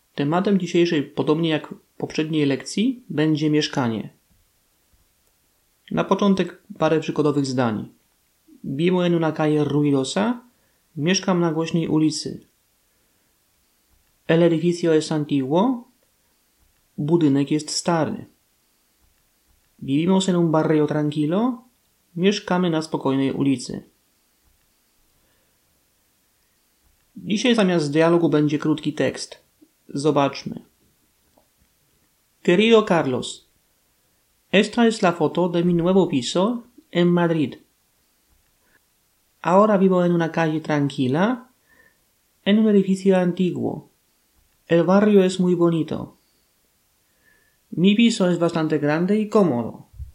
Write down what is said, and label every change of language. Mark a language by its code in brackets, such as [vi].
[pl] Tematem dzisiejszej, podobnie jak poprzedniej lekcji, będzie mieszkanie. Na początek parę przykładowych zdań. [es] Vivo en una calle ruidosa. [pl] Mieszkam na głośnej ulicy. [es] El edificio es antiguo. [pl] Budynek jest stary. [es] Vivimos en un barrio tranquilo. [pl] Mieszkamy na spokojnej ulicy. Dzisiaj zamiast dialogu będzie krótki tekst. Zobaczmy. [es] Querido Carlos, esta es la foto de mi nuevo piso en Madrid. Ahora vivo en una calle tranquila, en un edificio antiguo. El barrio es muy bonito. Mi piso es bastante grande y cómodo.